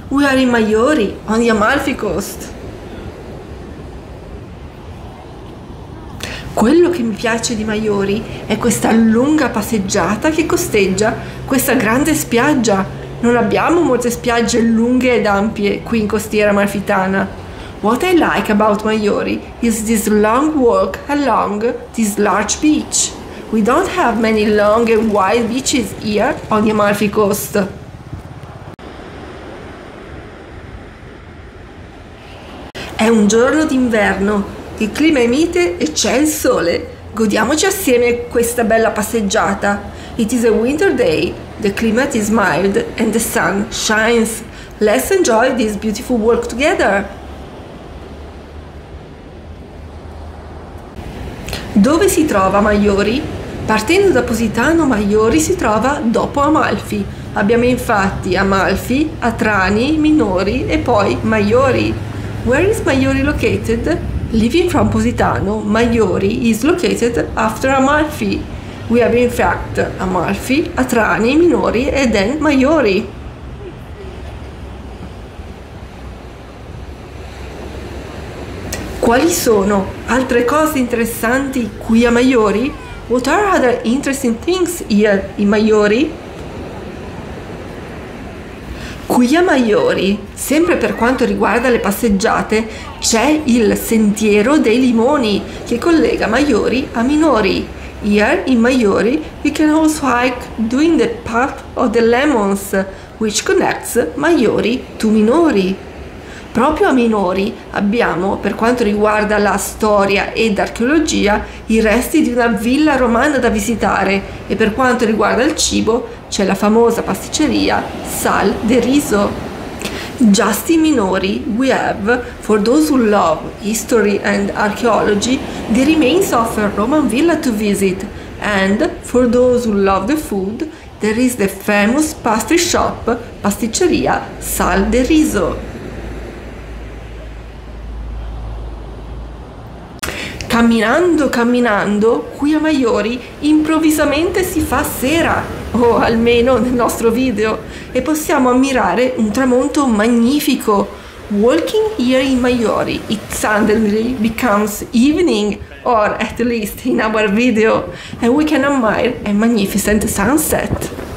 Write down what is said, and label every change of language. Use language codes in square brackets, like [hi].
[en] We are in Maiori, on the Amalfi Coast. [it] Quello che mi piace di Maiori è questa lunga passeggiata che costeggia questa grande spiaggia. Non abbiamo molte spiagge lunghe ed ampie qui in costiera amalfitana. [en] What I like about Maiori is this long walk along this large beach. We don't have many long and wide beaches here on the Amalfi Coast. [it] È un giorno d'inverno, il clima è mite e c'è il sole. Godiamoci assieme questa bella passeggiata. [en] It is a winter day, the climate is mild and the sun shines. Let's enjoy this beautiful walk together. [it] Dove si trova Maiori? Partendo da Positano, Maiori si trova dopo Amalfi. Abbiamo infatti Amalfi, Atrani, Minori e poi Maiori. [en] Where is Maiori located? Leaving from Positano, Maiori is located after Amalfi. We have in fact Amalfi, Atrani, Minori e then Maiori. [it] Quali sono altre cose interessanti qui a Maiori? [en] What are other interesting things here in Maiori? [it] Qui a Maiori, sempre per quanto riguarda le passeggiate, c'è il sentiero dei limoni che collega Maiori a Minori. [en] Here in Maiori you can also hike doing the path of the lemons, which connects Maiori to Minori. [it] Proprio a Minori abbiamo, per quanto riguarda la storia ed archeologia, i resti di una villa romana da visitare e per quanto riguarda il cibo c'è la famosa pasticceria Sal de Riso. [en] Just in Minori we have, for those who love history and archaeology, the remains of a Roman villa to visit and, for those who love the food, there is the famous pastry shop, pasticceria Sal de Riso. [it] Camminando, qui a Maiori improvvisamente si fa sera, o almeno nel nostro video, e possiamo ammirare un tramonto magnifico. [en] Walking here in Maiori, it suddenly becomes evening, or at least in our video, and we can admire a magnificent sunset.